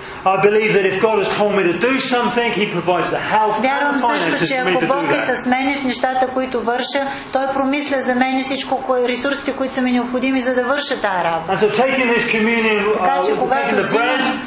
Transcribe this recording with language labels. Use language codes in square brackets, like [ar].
[en] I believe that if God has told me to do something, He provides the health and finances for me to do that. [bg] Вярвам също, че ако Бог е с мен в нещата, които върша, Той промисля за мен всичко, ресурсите, които са ми необходими, за да върша тази работа. [en] And so taking this communion, taking the bread,